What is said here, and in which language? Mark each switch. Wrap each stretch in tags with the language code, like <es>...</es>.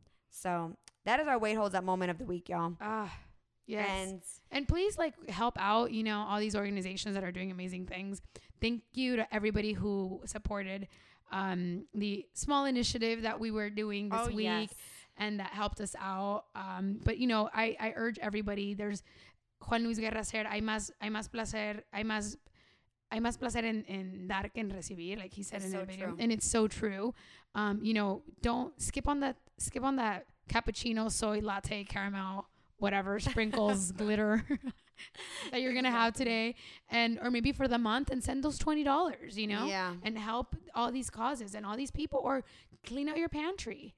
<en>So that is our Wait Holds Up moment of the week, y'all. Yes. And please, like, help out, you know, all these organizations that are doing amazing things. Thank you to everybody who supported the small initiative that we were doing this week. Yes. And that helped us out. But, you know, I urge everybody. There's Juan Luis Guerra said,</en> <es>hay más placer en dar que en recibir.</es> <en>Like he said, it's in so a video. True. And it's so true. You know, don't skip on that cappuccino, soy latte, caramel, whatever, sprinkles, glitter that you're going to have today. And or maybe for the month, and send those $20, you know, and help all these causes and all these people, or clean out your pantry.</en>